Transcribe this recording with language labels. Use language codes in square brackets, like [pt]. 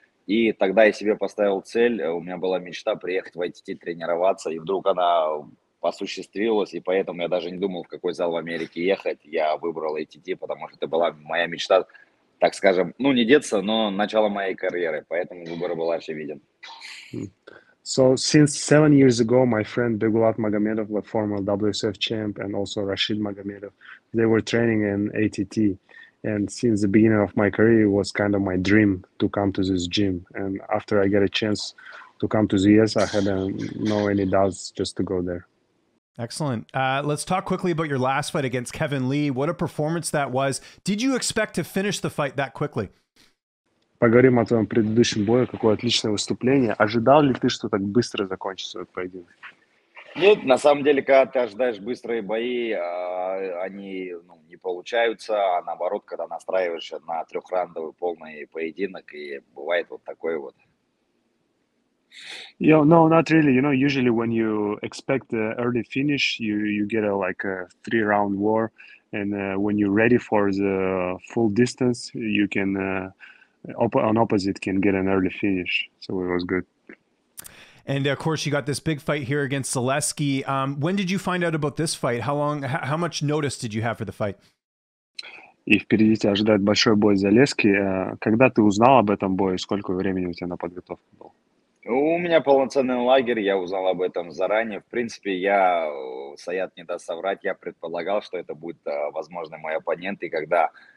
[ru] И тогда я себе поставил цель, у меня была мечта приехать в ATT тренироваться, и вдруг она осуществилась, и поэтому я даже не думал, в какой зал в Америке ехать. Я выбрал ATT, потому что это была моя мечта, так скажем, ну не детство, но начало моей карьеры, поэтому выбор был очевиден. [en] So since 7 years ago, my friend Begulat Magomedov, the former WSF champ, and also Rashid Magomedov, they were training in ATT. And since the beginning of my career, it was kind of my dream to come to this gym. And after I get a chance to come to the US, I had no any doubts just to go there. Excellent. Let's talk quickly about your last fight against Kevin Lee. What a performance that was. Did you expect to finish the fight that quickly? [ru] Поговорим о твоем предыдущем бою, какое отличное выступление. Ожидал ли ты, что так быстро закончится этот поединок? Нет, на самом деле, когда ты ожидаешь быстрые бои, они ну, не получаются, а наоборот, когда настраиваешься на трехраундовый полный поединок, и бывает вот такой вот. [en] You know, no, not really. You know, usually when you expect an early finish, you get a three-round war, and when you're ready for the full distance, you can... On opposite can get an early finish, so it was good. And of course, you got this big fight here against Zaleski. When did you find out about this fight? How much notice did you have for the fight? [ru] И впереди тебя ожидает большой бой с Залески. Когда ты узнал об этом бою, сколько времени у тебя на подготовку было? У меня полноценный лагерь, я узнал об этом заранее. В принципе, я, Саят не даст соврать, я предполагал, что это будет, возможно, мой оппонент, и когда...